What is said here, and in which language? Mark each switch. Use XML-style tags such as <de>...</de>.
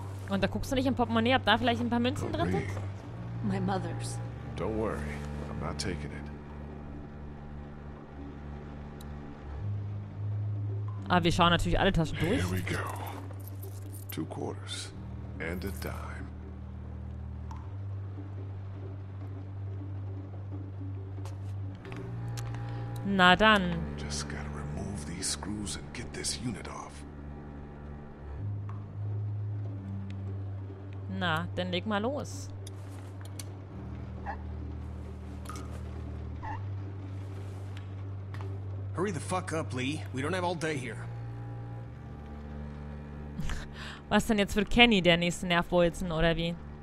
<de>Und da guckst du nicht im Portemonnaie, ob da vielleicht ein paar Münzen drin sind?</de> <en>My mother's. Don't worry, I'm not taking it.</en> <de>Ah, wir schauen natürlich alle Taschen durch.</de> <en>Here we go. Two quarters and a dime.</en> <de>Na dann.</de> <en>Just gotta remove these screws and get this unit off.</en> <de>Na, dann leg mal los.</de> <en>Hurry the fuck up, Lee. We don't have all day here.</en> <de>Was denn jetzt für Kenny der nächste Nervbolzen, oder wie?</de>